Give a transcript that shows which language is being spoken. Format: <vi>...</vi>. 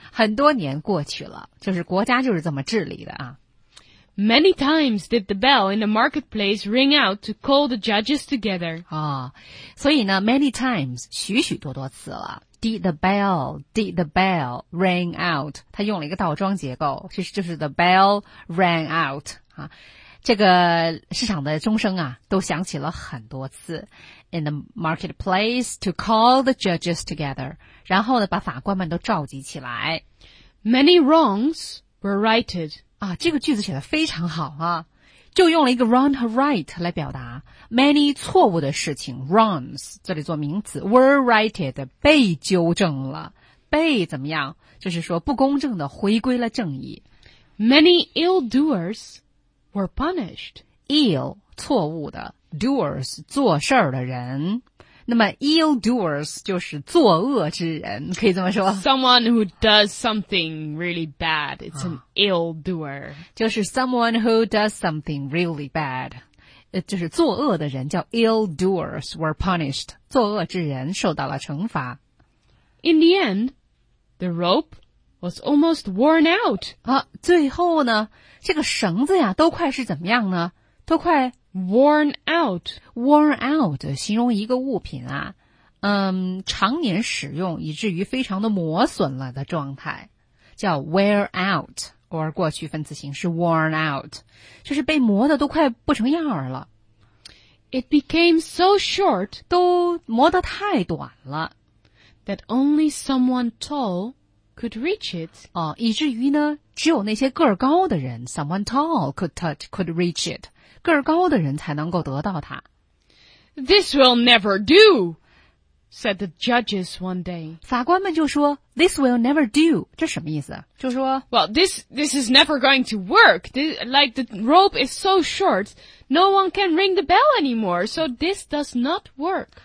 <zh>很多年过去了就是国家就是这么治理的啊。</zh> <en>Many times did the bell in the marketplace ring out to call the judges together.</en> <zh>啊、哦、所以呢</zh> <en>many times,</en> <zh>许许多多次了。</zh> <en>Did the bell ring out?</en> <zh>它用了一个倒装结构就是</zh> <en>the bell rang out.</en> <zh>啊这个市场的钟声啊都响起了很多次。</zh> <en>In the marketplace to call the judges together.</en> <zh>然后呢把法官们都召集起来。</zh> <en>Many wrongs were righted.</en> <zh>啊，这个句子写得非常好啊，就用了一个 wrong 和 right 来表达 many 错误的事情 wrongs 这里做名词</zh> <en>were righted</en> <zh>被纠正了被怎么样就是说不公正的回归了正义</zh> <en>many ill doers were punished</en> <zh>ill 错误的 doers 做事儿的人那么 ill doers 就是作恶之人可以这么说</zh> <en>Someone who does something really bad It's an ill doer</en> <zh>就是</zh> <en>someone who does something really bad</en> <zh>就是作恶的人叫 ill doers</zh> <en>were punished</en> <zh>作恶之人受到了惩罚</zh> <en>In the end The rope was almost worn out</en> <zh>啊，最后呢这个绳子呀都快是怎么样呢都快</zh> <en>worn out</en> <zh>worn out 形容一个物品啊常年使用以至于非常的磨损了的状态叫 wear out or 过去分词形式 worn out 就是被磨得都快不成样了</zh> <en>it became so short</en> <zh>都磨得太短了</zh> <en>that only someone tall could reach it、</en> <zh>哦、以至于呢只有那些个儿高的人</zh> <en>someone tall could reach it</en> <zh>个儿高的人才能够得到它。</zh> <en>This will never do, said the judges one day.</en> <zh>法官们就说 ,</zh> <en>this will never do,</en> <zh>这什么意思就说</zh> <en>,well, this is never going to work. Like, the rope is so short, no one can ring the bell anymore, so this does not work.</en>